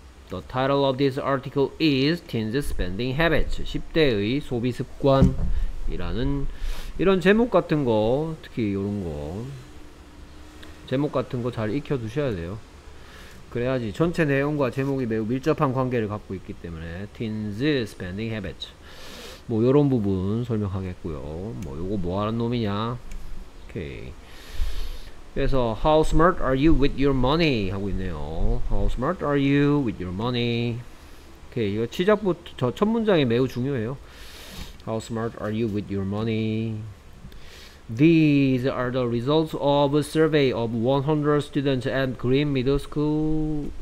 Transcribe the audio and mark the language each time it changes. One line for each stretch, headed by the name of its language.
English: The title of this article is Teens Spending Habits.
Korean: 10대의 소비 습관이라는 이런 제목 같은 거, 특히 요런 거. 제목 같은 거잘 익혀 두셔야 돼요. 그래야지 전체 내용과 제목이 매우 밀접한 관계를 갖고 있기 때문에,
English: Teens Spending Habits.
Korean: 뭐 요런 부분 설명하겠고요. 뭐 요거 뭐 하는 놈이냐. 오케이. 그래서,
English: How smart are you with your money?
Korean: 하고 있네요.
English: How smart are you with your money? 오케이.
Korean: 이거 시작부터, 저첫 문장이 매우 중요해요.
English: How smart are you with your money? These are the results of a survey of 100 students at Green Middle School.